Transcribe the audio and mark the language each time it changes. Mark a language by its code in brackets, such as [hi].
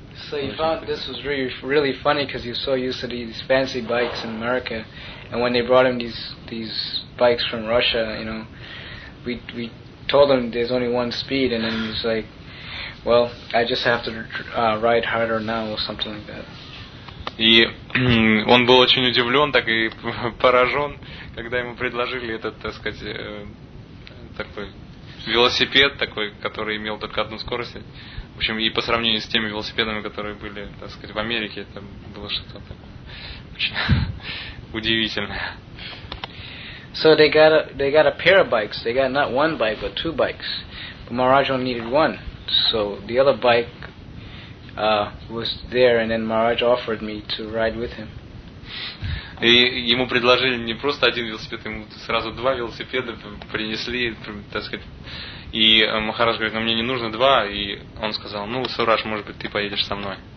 [en] So you thought this was really, really funny because you're so used to these fancy bikes in America, and when they brought him these bikes from Russia, you know, we told him there's only one speed, and then he's like, well, I just have to ride harder now or something like that. [ru] И он был очень удивлен, так и поражен, когда ему предложили этот, так сказать, такой велосипед такой, который имел только одну скорость. В общем, и по сравнению с теми велосипедами, которые были, так сказать, в Америке, это было что-то такое очень удивительное. [en] So they got a pair of bikes. They got not one bike, but two bikes. But Maharaj only needed one. So the other bike was there, and then Maharaj offered me to ride with him. [ru] И ему предложили не просто один велосипед, ему сразу два велосипеда принесли, так сказать. И Махарадж говорит, ну мне не нужно два, и он сказал, ну Сураж, может быть, ты поедешь со мной.